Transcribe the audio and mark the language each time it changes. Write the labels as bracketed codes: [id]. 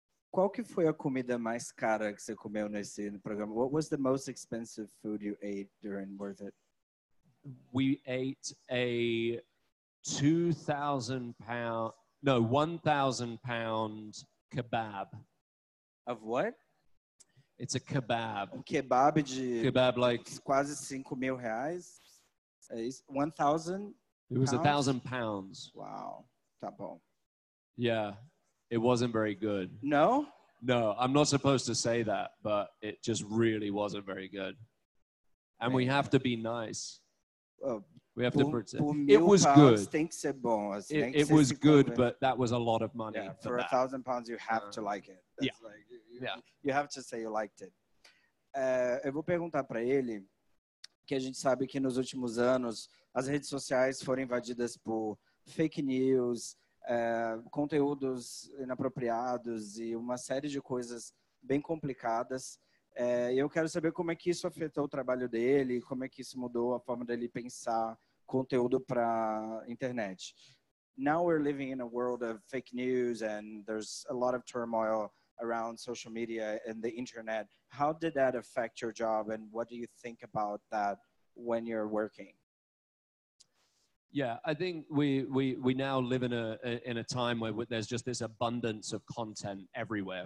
[pt] Qual que foi a comida mais cara que você comeu nesse programa? [en] What was the most expensive food you ate during Worth It? We ate a £1,000 kebab. Of what? It's a kebab. [pt] Kebab de [en] kebab like [pt] quase 5,000 reais. [en] It's 1,000. It was 1,000 pounds. [pt] Wow. Tá bom. [en] Yeah. It wasn't very good. No? No, I'm not supposed to say that, but it just really wasn't very good. And we have to be nice. We have to pretend. It was good. [pt] Tem que ser bom. [en] It was good, but that was a lot of money. Yeah, for 1,000 pounds, you have to like it. That's yeah. Like, yeah. You have to say you liked it. [pt] Eu vou perguntar para ele, que a gente sabe que nos últimos anos as redes sociais foram invadidas por fake news, conteúdos inapropriados e uma série de coisas bem complicadas. Eu quero saber como é que isso afetou o trabalho dele, como é que isso mudou a forma dele pensar conteúdo para internet. [en] Now we're living in a world of fake news and there's a lot of turmoil around social media and the internet. How did that affect your job and what do you think about that when you're working? Yeah, I think we now live in a time where there's just this abundance of content everywhere.